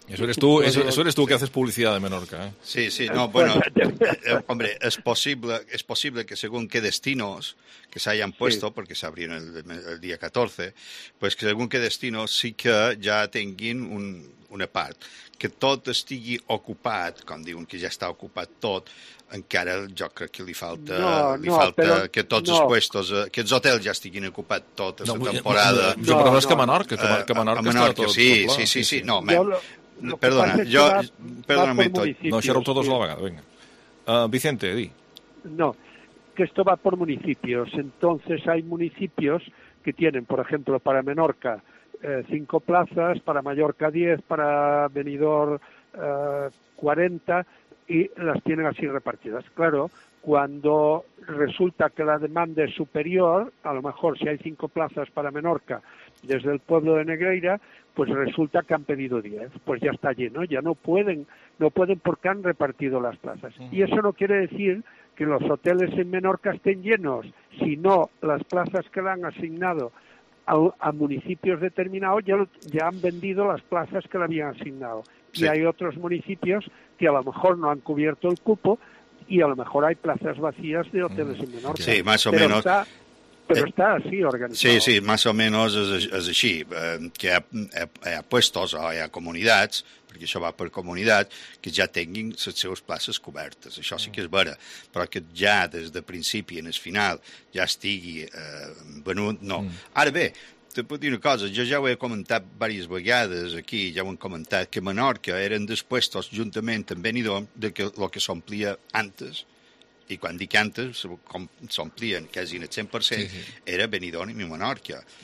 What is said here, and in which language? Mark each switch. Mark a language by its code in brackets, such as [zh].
[es] Eso eres tú que haces publicidad de Menorca, ¿eh? Sí, sí, no, bueno, hombre, es posible que según qué destinos que se hayan puesto, sí, porque se abrieron el día 14, pues que según qué destinos sí que ya tengan un [ca] una part, que tot estigui ocupat, com diuen que ja està ocupat tot, encara jo crec que li falta, que tots els puestos, que els hotels ja estiguin ocupats tota la temporada. Jo crec que Menorca, Menorca està tot. Sí. No, perdona, això rompo dos a la vegada, vinga. [es] Vicente, di. No, que esto va por municipios. Entonces hay municipios que tienen, por ejemplo, para Menorca 5 plazas, para Mallorca 10, para Benidorm 40, y las tienen así repartidas. Claro, cuando resulta que la demanda es superior, a lo mejor si hay 5 plazas para Menorca desde el pueblo de Negreira, pues resulta que han pedido 10, pues ya está lleno, ya no pueden porque han repartido las plazas. Y eso no quiere decir que los hoteles en Menorca estén llenos, sino las plazas que le han asignado a municipios determinados ya han vendido las plazas que le habían asignado. Sí. Y hay otros municipios que a lo mejor no han cubierto el cupo y a lo mejor hay plazas vacías de hoteles en Menorca. Sí, más o menos. Pero está así organizado. [ca] Sí, más o menos és així, que hi ha puestos o hi ha comunitats, perquè això va per comunitat, que ja tinguin les seves places cobertes. Això sí que és vera, però que ja des de principi en el final ja estigui venut, no. Ara bé, te puc dir una cosa, jo ja ho he comentat diverses vegades aquí, ja ho he comentat, que Menorca eren dels puestos juntament amb Benidorm de que el que s'omplia antes, i quan dic antes, com s'omplien quasi en el 100%, era Benidorm i Menorca.